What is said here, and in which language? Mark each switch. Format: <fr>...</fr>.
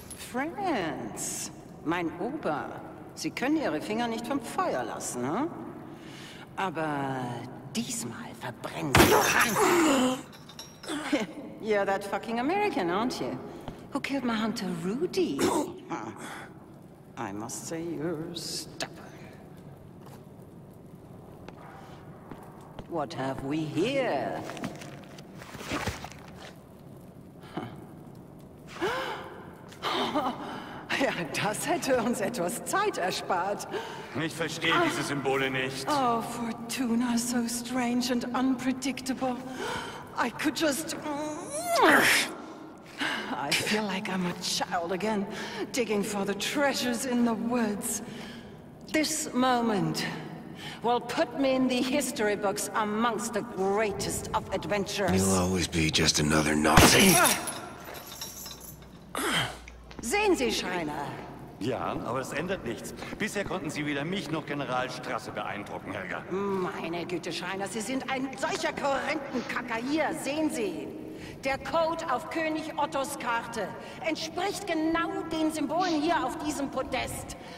<de>Franz, mein Opa, Sie können Ihre Finger nicht vom Feuer lassen, hm? Aber diesmal verbrennen Sie doch an.</de> <en>You're that fucking American, aren't you? Who killed my hunter Rudy? I must say you're stubborn. What have we here?</en> <de>Ja, das hätte uns etwas Zeit erspart. Ich verstehe diese Symbole nicht.</de> <en>Oh, Fortuna, so strange and unpredictable. I could just... I feel like I'm a child again, digging for the treasures in the woods. This moment will put me in the history books amongst the greatest of adventurers. You'll always be just another Nazi.</en> <de>Sehen Sie, Schreiner. Ja, aber es ändert nichts. Bisher konnten Sie weder mich noch General Strasse beeindrucken, Helga. Meine Güte, Schreiner, Sie sind ein solcher Korinthenkacker hier, sehen Sie. Der Code auf König Ottos Karte entspricht genau den Symbolen hier auf diesem Podest.</de>